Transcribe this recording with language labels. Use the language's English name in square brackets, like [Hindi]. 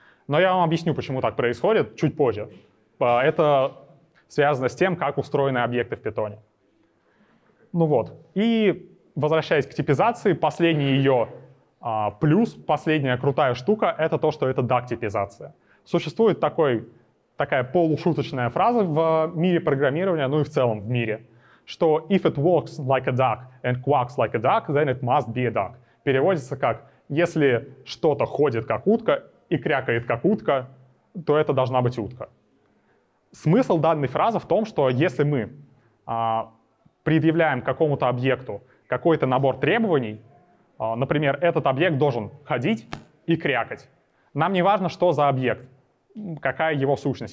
[Russian] Но я вам объясню, почему так происходит, чуть позже. Это связано с тем, как устроены объекты в питоне. Ну вот. И возвращаясь к типизации, последний ее плюс, последняя крутая штука, это то, что это DAG-типизация. Существует такая полушуточная фраза в мире программирования, ну и в целом в мире, что [English] if it walks like a duck and quacks like a duck, then it must be a duck. [Russian] Переводится как «если что-то ходит как утка и крякает как утка, то это должна быть утка». Смысл данной фразы в том, что если мы предъявляем какому-то объекту какой-то набор требований, например, этот объект должен ходить и крякать, нам не важно, что за объект, какая его сущность.